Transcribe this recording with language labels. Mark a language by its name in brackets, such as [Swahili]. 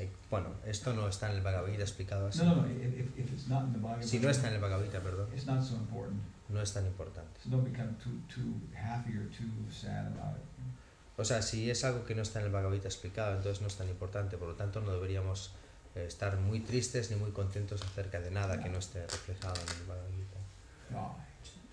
[Spanish] Bueno, esto no está en el Bhagavad Gita explicado así. [English] No, if it's not in the Bhagavad Gita. [Spanish] Si no está en el Bhagavad Gita, perdón. [English] It's not so important. [Spanish] No es tan importante. [English] So don't become too happy or too sad about it. [Spanish] O sea, si es algo que no está en el Bhagavad Gita explicado, entonces no es tan importante. Por lo tanto, no deberíamos estar muy tristes ni muy contentos acerca de nada que no esté reflejado en el Bhagavad Gita.